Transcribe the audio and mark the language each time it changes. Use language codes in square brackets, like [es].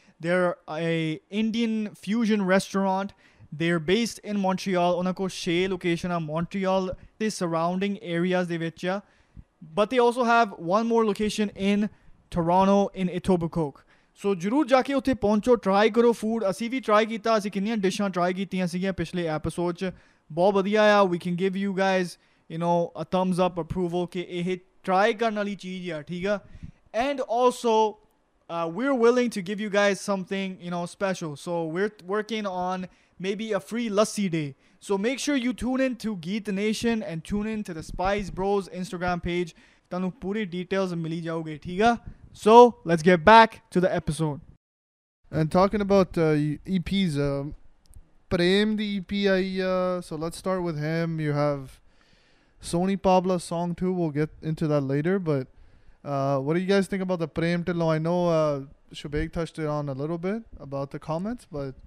[en] They're a Indian fusion restaurant. They're based in Montreal. [pa] Unako shay location a Montreal, [en] the surrounding areas [pa] de vichya. [en] But they also have one more location in Toronto, in Etobicoke. [pa] So, ਜ਼ਰੂਰ ਜਾ ਕੇ ਉੱਥੇ ਪਹੁੰਚੋ, try ਕਰੋ food. ਅਸੀਂ ਵੀ try ਕੀਤਾ, ਅਸੀਂ ਕਿੰਨੀਆਂ ਡਿਸ਼ਾਂ try ਕੀਤੀਆਂ ਸੀਗੀਆਂ ਪਿਛਲੇ ਐਪੀਸੋਡ 'ਚ, ਬਹੁਤ ਵਧੀਆ ਆ. [en] we can give you guys you know a thumbs up approval [pa] ਕਿ ਇਹ ਟਰਾਈ ਕਰਨ ਵਾਲੀ ਚੀਜ਼ ਆ, ਠੀਕ ਆ. [en] And also we're willing to give you guys something you know special. So we're working on maybe a free lassi day. So make sure you tune in to Geet nation and tune in to the spice bros Instagram page. [pa] ਤੁਹਾਨੂੰ ਪੂਰੀ details ਮਿਲੀ ਜਾਊਗੀ, ਠੀਕ ਆ. [en] So, let's get back to the episode. And talking about EPs, Prem the EP aaya, so let's start with him. You have Sony Pabla song too. We'll get into that later. But what do you guys think about the Prem Dhillon? I know Shubhaik touched it on a little bit about the comments, but